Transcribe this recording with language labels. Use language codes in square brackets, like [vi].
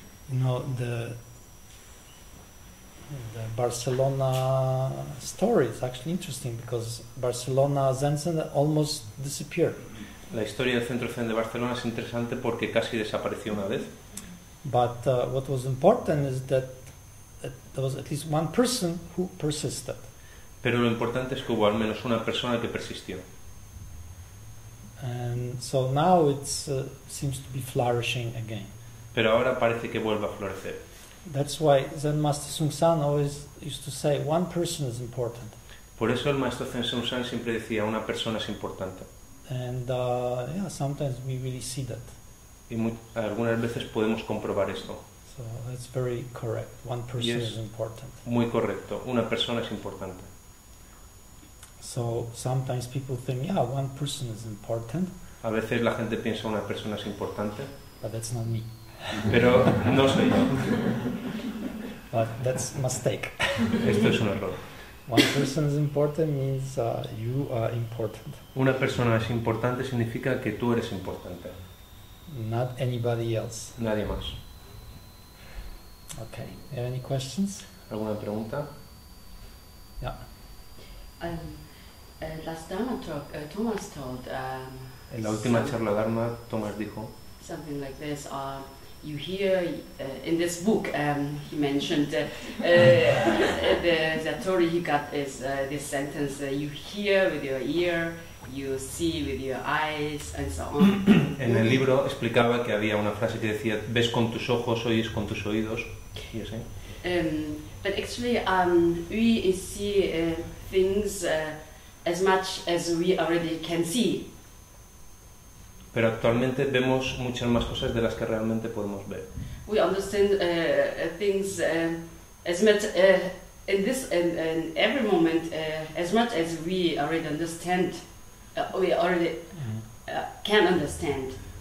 [en] You know, the Barcelona story is actually interesting because Barcelona Zen Center almost disappeared. [es] La historia del Centro Zen de Barcelona es interesante porque casi desapareció una vez. [en] But what was important is that there was at least one person who persisted. [es] Pero lo importante es que hubo al menos una persona que persistió. [en] And so now it seems to be flourishing again. [es] Pero ahora parece que vuelve a florecer. [en] That's why Zen Master Sung San always used to say one person is important. [es] Por eso el maestro Zen Sung San siempre decía una persona es importante. [en] And yeah, sometimes we really see that. [es] Y algunas veces podemos comprobar esto. [en] So that's very correct. One person is important. [es] Muy correcto. Una persona es importante. [en] So sometimes people think, yeah, one person is important. [es] A veces la gente piensa una persona es importante. [en] But that's not me. [es] Pero no soy yo. [en] But that's a mistake. [es] Esto es un error. [en] One person is important means you are important. [es] Una persona es importante significa que tú eres importante. [en] Not anybody else. [es] Nadie más. [en] Okay. Have any questions? [es] ¿Alguna pregunta? [en] Yeah. Last Dharma talk, Thomas told. [es] En la última charla Dharma, Thomas dijo. [en] Something like this. You hear in this book, he mentioned the story he got is this sentence, you hear with your ear, you see with your eyes, and so on. [es] En el libro explicaba que había una frase que decía, ves con tus ojos, oyes con tus oídos, y así. [en] But actually, we see things as much as we already can see. [es] Pero actualmente vemos muchas más cosas de las que realmente podemos ver. [en] We understand things as much in this and every moment as much as we already understand, can understand.